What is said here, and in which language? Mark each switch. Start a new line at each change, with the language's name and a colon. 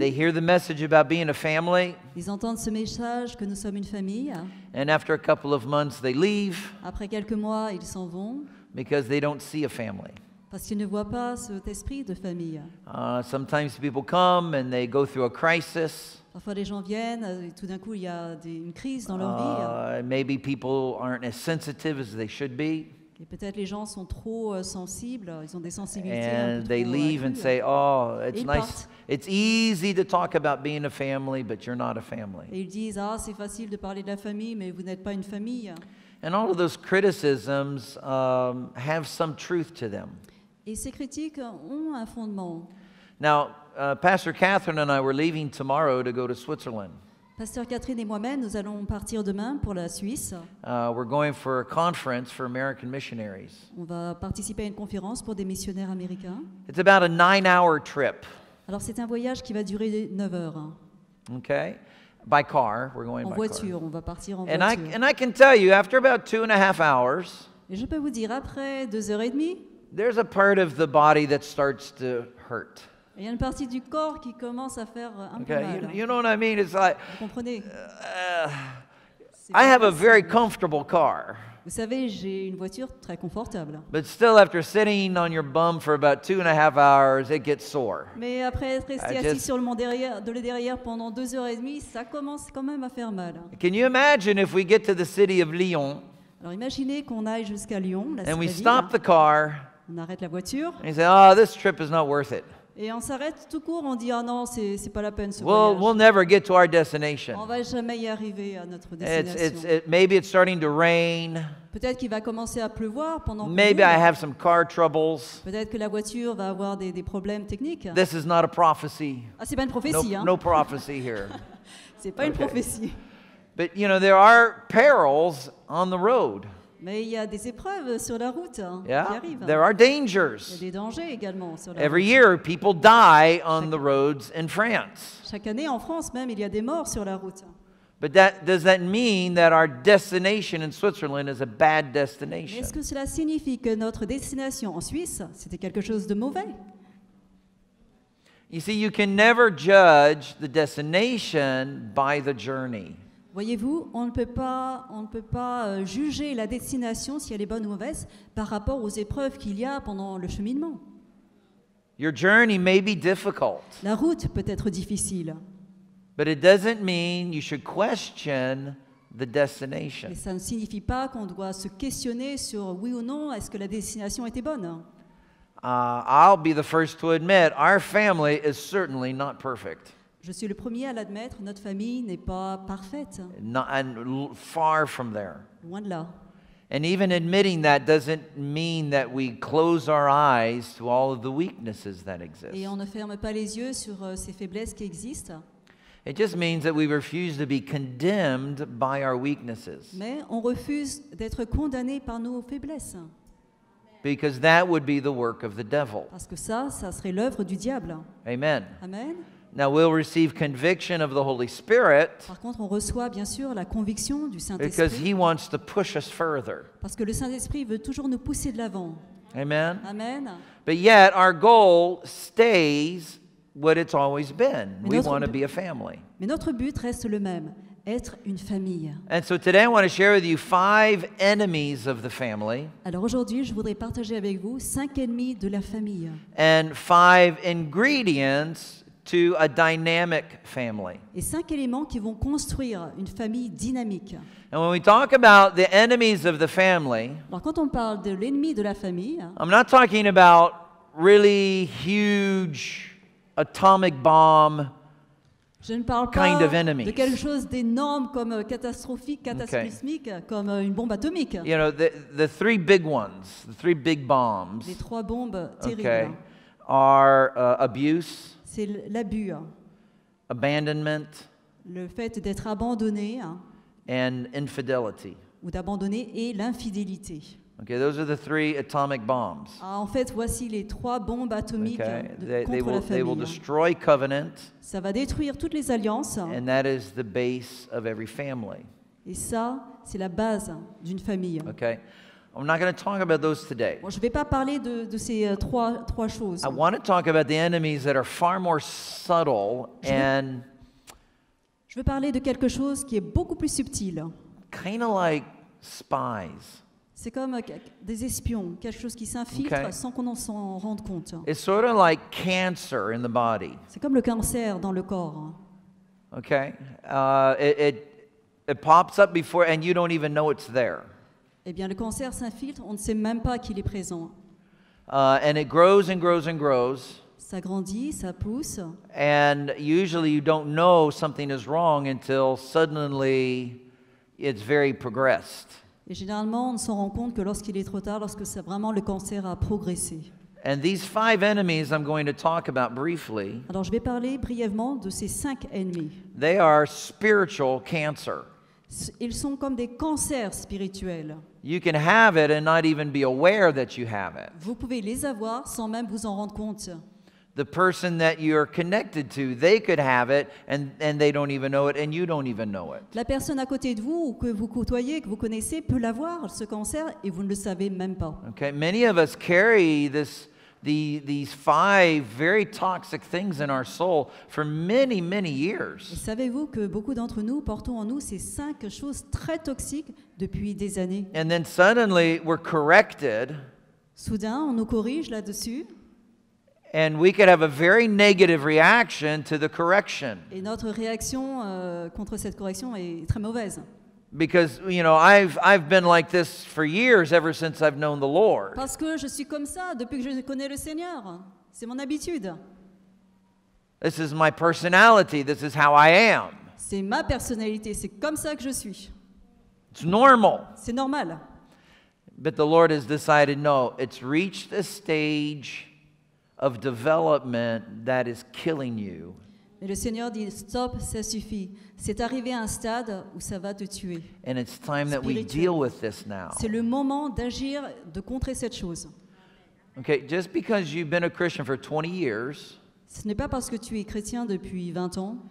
English: They hear the message about being a family.
French: Ils entendent ce message que nous sommes une famille.
English: And after a couple of months, they leave.
French: Après quelques mois, ils s'en vont.
English: Because they don't see a family.
French: Parce qu'ils ne voient pas cet esprit de famille.
English: Sometimes people come and they go through a crisis.
French: Parfois les gens viennent et tout d'un coup il y a une crise dans leur vie.
English: Maybe people aren't as sensitive as they should be.
French: Et peut-être les gens sont trop sensibles, ils ont des sensibilités
English: and
French: un peu
English: they
French: trop
English: leave and say, oh, it's nice. It's easy to talk about being a family, but you're not a family.
French: Et ils disent, ah, c'est facile de parler de la famille, mais vous n'êtes pas une famille.
English: And all of those criticisms have some truth to them.
French: Et ces critiques ont un fondement.
English: Now, Pastor Kathryn and I were leaving tomorrow to go to Switzerland.
French: Pasteur Catherine et moi-même, nous allons partir demain pour la Suisse.
English: We're going for a conference for American missionaries.
French: On va participer à une conférence pour des missionnaires américains.
English: It's about a 9-hour trip.
French: Alors c'est un voyage qui va durer 9 heures.
English: Okay. By car, we're going
French: en
English: by
French: voiture,
English: car.
French: On va partir en
English: and
French: voiture.
English: And I can tell you, after about 2.5 hours,
French: et je peux vous dire, après 2h30,
English: there's a part of the body that starts to hurt.
French: Il y a une partie du corps qui commence à faire un peu mal.
English: You know what I mean? It's like,
French: vous comprenez?
English: I have a very comfortable car.
French: Vous savez, j'ai une voiture très confortable.
English: But still, after sitting on your bum for about 2.5 hours, it gets sore.
French: Mais après être resté assis sur le banc derrière pendant 2h30, ça commence quand même à faire mal.
English: Can you imagine if we get to the city of Lyon?
French: Alors imaginez qu'on aille jusqu'à Lyon, la
English: and we stop the car.
French: On arrête la voiture.
English: And say, oh, this trip is not worth it.
French: Et on s'arrête tout court, on dit, ah non, c'est pas la peine ce
English: voyage. We'll never get to our destination.
French: On va jamais y arriver à notre destination.
English: Maybe it's starting to rain.
French: Peut-être qu'il va commencer à pleuvoir pendant
English: maybe I have some car troubles.
French: Peut-être que la voiture va avoir des problèmes techniques.
English: This is not a prophecy.
French: Ah, c'est pas une prophétie,
English: no prophecy here.
French: C'est pas une prophétie.
English: But you know, there are perils on the road.
French: Mais il y a des épreuves sur la route, hein,
English: yeah,
French: qui arrivent.
English: There are dangers.
French: Il y a des dangers également sur la route.
English: Every year, people die on the roads in France.
French: Chaque année, en France même, il y a des morts sur la route.
English: But that, does that mean that our destination in Switzerland is a bad destination?
French: Est-ce que cela signifie que notre destination en Suisse, c'était quelque chose de mauvais?
English: You see, you can never judge the destination by the journey.
French: Voyez-vous, on ne peut pas juger la destination, si elle est bonne ou mauvaise, par rapport aux épreuves qu'il y a pendant le cheminement.
English: Your journey may be difficult.
French: La route peut être difficile.
English: But it doesn't mean you should question the destination.
French: Mais ça ne signifie pas qu'on doit se questionner sur oui ou non, est-ce que la destination était bonne.
English: I'll be the first to admit, our family is certainly not perfect.
French: Je suis le premier à l'admettre, notre famille n'est pas parfaite.
English: Not, and far from there.
French: Loin de là.
English: And even admitting that doesn't mean that we close our eyes to all of the weaknesses that exist.
French: Et on ne ferme pas les yeux sur ces faiblesses qui existent.
English: It just means that we refuse to be condemned by our weaknesses.
French: Mais on refuse d'être condamné par nos faiblesses.
English: Because that would be the work of the devil.
French: Parce que ça serait l'œuvre du diable.
English: Amen.
French: Amen.
English: Now we'll receive conviction of the Holy Spirit.
French: Par contre, on reçoit bien sûr la conviction du Saint-Esprit.
English: Because he wants to push us further.
French: Parce que le Saint-Esprit veut toujours nous pousser de l'avant.
English: Amen.
French: Amen.
English: But yet our goal stays what it's always been. We want to be a family.
French: Mais notre but reste le même, être une famille.
English: And so today I want to share with you five enemies of the family.
French: Alors aujourd'hui, je voudrais partager avec vous cinq ennemis de la famille.
English: And five ingredients to a dynamic family.
French: Et cinq éléments qui vont construire une famille dynamique.
English: And when we talk about the enemies of the family,
French: alors quand on parle de l'ennemi de la famille,
English: I'm not talking about really huge atomic bomb
French: je ne parle
English: kind
French: pas
English: of enemies.
French: De quelque chose d'énorme comme catastrophique, cataclysmique, okay. Comme une bombe atomique.
English: You know, the three big ones, the three big bombs.
French: Les trois bombes terribles.
English: Okay. Are abuse.
French: C'est l'abus.
English: Abandonment.
French: Le fait d'être abandonné.
English: And infidelity.
French: Ou d'abandonner et l'infidélité.
English: Okay, those are the three atomic bombs.
French: En fait, voici les trois bombes atomiques okay.
English: They will destroy covenant.
French: Ça va détruire toutes les alliances.
English: And that is the base of every family.
French: Et ça, c'est la base d'une famille.
English: Okay. I'm not going to talk about those today.
French: Bon, je vais pas parler de ces trois choses.
English: I want to talk about the enemies that are far more subtle and
French: je veux parler de quelque chose qui est beaucoup plus subtil.
English: Kind of like spies.
French: C'est comme des espions, quelque chose qui s'infiltre okay. Sans qu'on s'en rende compte.
English: It's sort of like cancer in the body.
French: C'est comme le cancer dans le corps.
English: Okay. It pops up before and you don't even know it's there.
French: Eh bien, le cancer s'infiltre, on ne sait même pas qu'il est présent.
English: And it grows and grows and grows.
French: Ça grandit, ça pousse.
English: And usually you don't know something is wrong until suddenly it's very progressed.
French: Et généralement, on ne s'en rend compte que lorsqu'il est trop tard, lorsque c'est vraiment le cancer a progressé.
English: And these five enemies I'm going to talk about briefly.
French: Alors, je vais parler brièvement de ces cinq ennemis.
English: They are spiritual cancer.
French: Ils sont comme des cancers spirituels.
English: You can have it and not even be aware that you have it.
French: Vous pouvez les avoir sans même vous en rendre compte.
English: The person that you are connected to, they could have it and they don't even know it and you don't even know it.
French: La personne à côté de vous que vous côtoyez, que vous connaissez peut l'avoir ce cancer et vous ne le savez même pas.
English: Okay, many of us carry these five very toxic things in our soul for many, many years.
French: Et savez-vous que beaucoup d'entre nous portons en nous ces cinq choses très toxiques depuis des années?
English: And then suddenly we're corrected.
French: Soudain, on nous corrige là-dessus.
English: And we could have a very negative reaction to the correction.
French: Et notre réaction contre cette correction est très mauvaise.
English: Because you know, I've been like this for years ever since I've known the Lord.
French: Parce que je suis comme ça depuis que je connais le Seigneur. C'est mon habitude.
English: This is my personality. This is how I am.
French: C'est ma personnalité. C'est comme ça que je suis.
English: It's normal.
French: C'est normal.
English: But the Lord has decided, no, it's reached a stage of development that is killing you.
French: Mais le Seigneur dit, stop, ça suffit. C'est arrivé à un stade où ça va te tuer.
English: And it's time that we deal with this now.
French: C'est le moment d'agir, de contrer cette chose.
English: Okay, just because you've been a Christian for 20 years,
French: ce n'est pas parce que tu es chrétien depuis 20 ans,